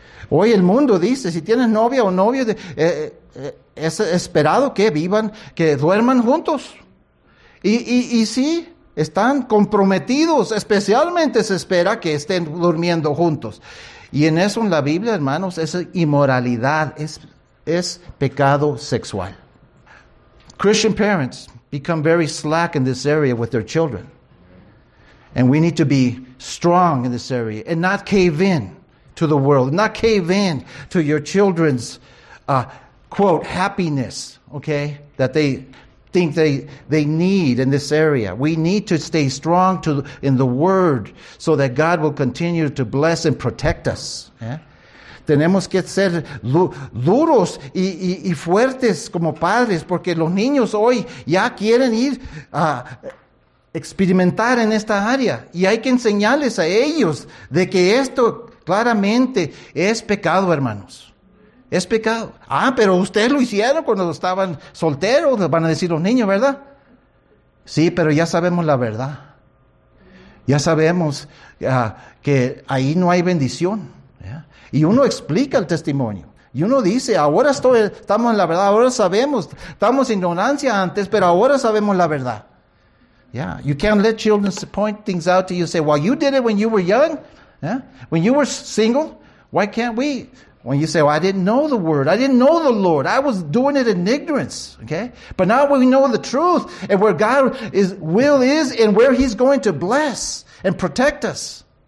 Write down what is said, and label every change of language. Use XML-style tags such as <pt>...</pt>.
<es>Hoy el mundo dice, si tienes novia o novio, es esperado que vivan, que duerman juntos. Y si están comprometidos, especialmente se espera que estén durmiendo juntos. Y en eso en la Biblia, hermanos, es inmoralidad, es pecado sexual.</es> <en>Christian parents become very slack in this area with their children. And we need to be strong in this area and not cave in to the world, not cave in to your children's, quote, happiness, okay, that they think they need in this area. We need to stay strong in the Word so that God will continue to bless and protect us, yeah?</en> <es>Tenemos que ser duros y fuertes como padres, porque los niños hoy ya quieren ir a experimentar en esta área. Y hay que enseñarles a ellos de que esto claramente es pecado, hermanos. Es pecado. Ah, pero ustedes lo hicieron cuando estaban solteros, van a decir los niños, ¿verdad? Sí, pero ya sabemos la verdad. Ya sabemos que ahí no hay bendición. Y uno explica el testimonio. Y uno dice, ahora estamos en la verdad, ahora sabemos. Estamos en ignorancia antes, pero ahora sabemos la verdad.</es> <en>Yeah, you can't let children point things out to you and say, well, you did it when you were young. Yeah, when you were single, why can't we? When you say, well, I didn't know the word. I didn't know the Lord. I was doing it in ignorance. Okay, but now we know the truth and where God's will is and where he's going to bless and protect us.</en>